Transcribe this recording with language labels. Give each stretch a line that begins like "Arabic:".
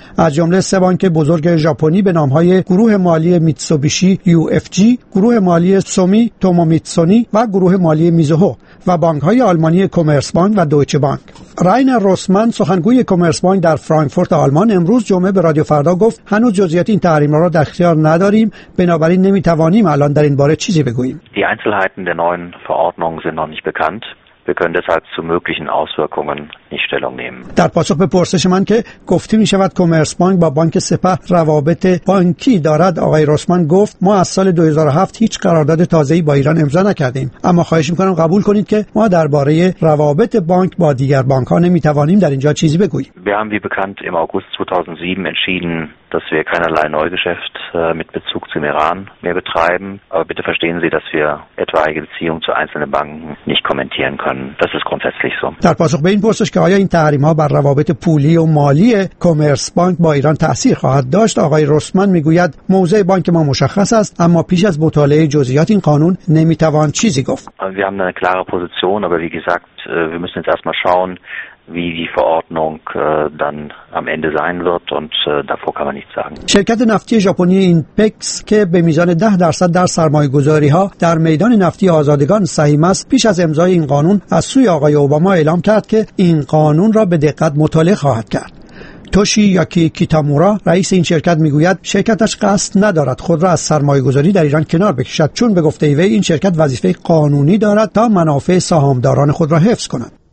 Persian: از جمله سه بانک بزرگ ژاپنی به نام های گروه مالی میتسوبیشی UFG، گروه مالی سومی تومومیتسونی و گروه مالی میزوهو و بانک های آلمانی کمرس بانک و دویچه بانک. راینر روسمن سخنگوی کمرس بانک در فرانکفورت آلمان امروز جمعه به رادیو فردا گفت هنوز جزئیات این تحریم را در اختیار نداریم، بنابراین نمیتوانیم الان در این باره چیزی
German: Die Einzelheiten der neuen Verordnung sind noch nicht bekannt. Wir können deshalb zu möglichen Auswirkungen nicht Stellung nehmen.
Persian: در پاسخ به پرسش من که گفته می شود کمرس بانک با بانک سپه روابط بانکی دارد، آقای روسمن گفت ما از سال 2007 هیچ قرارداد تازه‌ای با ایران امضا نکردیم، اما خواهش می کنم قبول کنید که ما درباره روابط بانک با دیگر بانک ها نمی توانیم در اینجا چیزی بگوییم.
German: Wir haben wie bekannt im August 2007 entschieden, dass wir keinerlei Neugeschäft mit Bezug zum Iran mehr betreiben. Aber bitte verstehen Sie, dass wir etwaige Beziehungen zu einzelnen Banken nicht kommentieren können. Das ist grundsätzlich so.
Persian: در پاسخ به این پرسش که آیا این تحریم‌ها بر روابط پولی و مالی کمرس بانک با ایران تأثیر خواهد داشت، آقای روسمن میگوید موضع بانک ما مشخص است، اما پیش از مطالعه جزئیات این قانون نمیتوان چیزی گفت.
German: Wir haben eine klare Position, aber wie gesagt, wir müssen jetzt erstmal schauen, wie die Verordnung dann am Ende sein wird und davor kann man nichts sagen.
Persian: شرکت نفتی ژاپنی INPEX که به میزان 10% در سرمایه‌گذاری‌ها در میدان نفتی آزادگان سهیم است، پیش از امضای این قانون از سوی آقای اوباما اعلام کرد که این قانون را به دقت مطالعه خواهد کرد. توشی یاکی کیتامورا رئیس این شرکت میگوید شرکتش قصد ندارد خود را از سرمایه‌گذاری در ایران کنار بکشد، چون به گفته وی این شرکت وظیفه قانونی دارد تا منافع سهامداران خود را حفظ کند.